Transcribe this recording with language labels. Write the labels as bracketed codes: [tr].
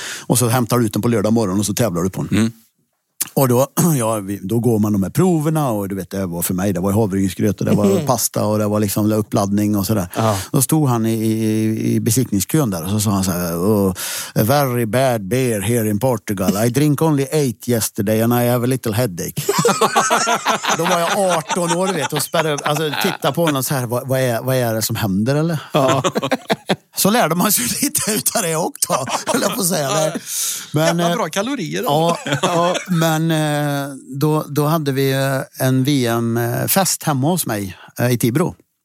[sv] Och så hämtar du ut den på lördag morgon och så tävlar du på den. Mm. Och då går man de här proverna, och du vet, det var för mig, det var havregrynsgröt och det var pasta och det var liksom uppladdning och sådär. Ja. Då stod han i besiktningskön där och så sa han såhär, [en] oh, a very bad beer here in Portugal. I drink only 8 yesterday and I have a little headache. [sv] Då var jag 18 år, vet, och spärde, alltså, tittade på honom såhär, vad är det som händer eller? Ja. Så lärde man sig lite utav det också, höll jag på att säga. Men, jävla bra kalorier. Ja, men men då hade vi en VM-fest hemma hos mig i Tibro.